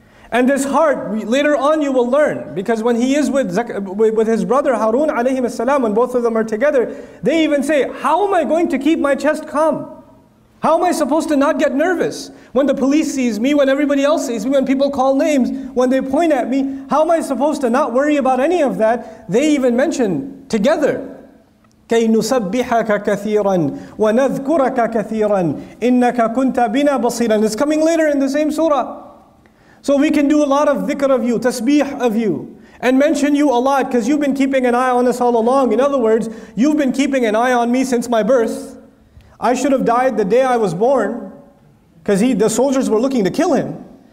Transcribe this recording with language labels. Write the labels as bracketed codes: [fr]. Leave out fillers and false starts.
[en] And this heart, later on you will learn, because when he is with his brother Harun alayhi salam, when both of them are together, they even say, how am I going to keep my chest calm? How am I supposed to not get nervous? When the police sees me, when everybody else sees me, when people call names, when they point at me, how am I supposed to not worry about any of that? They even mention together, [ar] كَيْ نُسَبِّحَكَ كَثِيرًا وَنَذْكُرَكَ كَثِيرًا إِنَّكَ كُنْتَ بِنَا بَصِيرًا. [en] It's coming later in the same surah. So we can do a lot of dhikr of you, tasbih of you, and mention you a lot because you've been keeping an eye on us all along. In other words, you've been keeping an eye on me since my birth. I should have died the day I was born because the soldiers were looking to kill him.